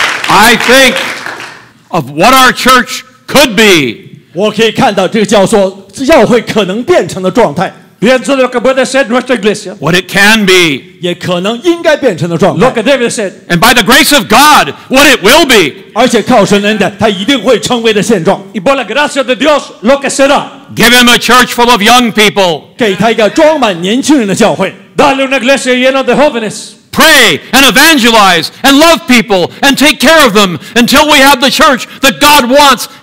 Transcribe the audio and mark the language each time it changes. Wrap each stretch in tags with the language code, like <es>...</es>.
<en>I think of what our church could be.</en> <zh>我可以看到这个教会可能变成的状态。</zh> <es>Pienso lo que puede ser nuestra iglesia.</es> <en>What it can be.</en> <zh>也可能应该变成的状态。</zh> <en>Look at David said. And by the grace of God, what it will be.</en> <zh>而且靠神恩典，它一定会成为的现状。</zh> <es>Y por la gracia de Dios, lo que será.</es> <en>Give him a church full of young people.</en> <zh>给他一个装满年轻人的教会。</zh> <es>Dale una iglesia llena de jóvenes.</es> <en>Pray and evangelize and love people and take care of them until we have the church that God wants.</en>